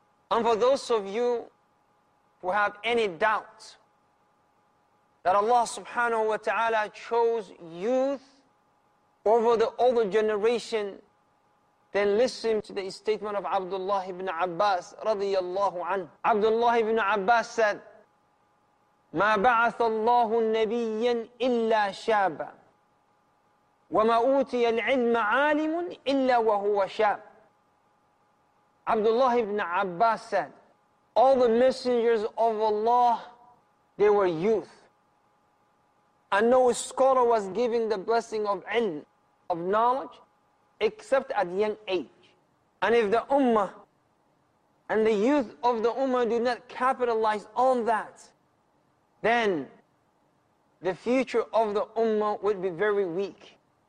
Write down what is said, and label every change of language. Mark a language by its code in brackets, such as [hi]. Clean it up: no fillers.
[en] And for those of you who have any doubt that Allah subhanahu wa ta'ala chose youth over the older generation, then listen to the statement of Abdullah ibn Abbas radiyallahu anhu. Abdullah ibn Abbas said, [ar] ما بعث الله نبيا إلا شابا وما أوتي العلم عالم إلا وهو شاب. [en] Abdullah ibn Abbas said, all the messengers of Allah, they were youth. And no scholar was given the blessing of ilm, of knowledge, except at young age. And if the ummah and the youth of the ummah do not capitalize on that, then the future of the ummah would be very weak.